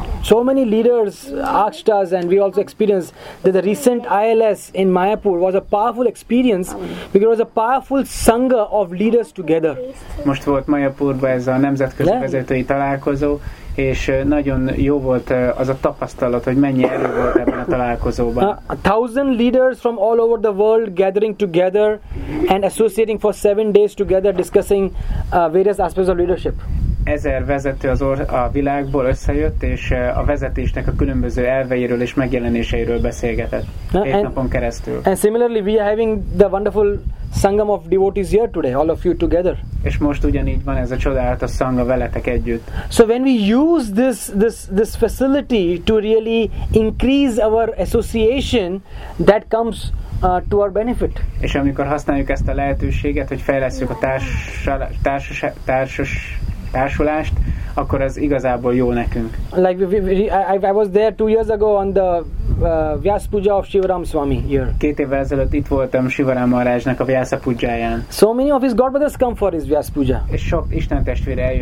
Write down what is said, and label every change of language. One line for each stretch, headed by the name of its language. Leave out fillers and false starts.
English: So many leaders asked us, and we also experienced that the recent ILS in Mayapur was a powerful experience because it was a powerful sangha of leaders together.
Hungarian: Most volt Mayapurban ez a nemzetközi vezetői találkozó. És nagyon jó volt az a tapasztalat, hogy mennyi erő volt ebben a találkozóban.
English: 1000 leaders from all over the world gathering together and associating for 7 days together discussing various aspects of leadership.
Hungarian: 1000 vezető az a világból összejött, és a vezetésnek a különböző elveiről és megjelenéseiről beszélgetett. Egy napon keresztül.
English: And similarly, we are having the wonderful sangam of devotees here today, all of you together.
Hungarian: És most ugyanígy van ez a csodálatos sangha veletek együtt.
English: So when we use this facility to really increase our association, that comes to our benefit.
Hungarian: És amikor használjuk ezt a lehetőséget, hogy fejlesszük a társulást, akkor ez igazából jó nekünk.
English: Like I was there 2 years ago on the Vyasa Puja of Shivaram Swami here.
Hungarian: 2 évvel ezelőtt itt voltam Shivaram Maharajnak a Vyasa Pujáján.
English: So many of his godbrothers come for his Vyasa Puja.
Hungarian: És sok Isten testvére eljött.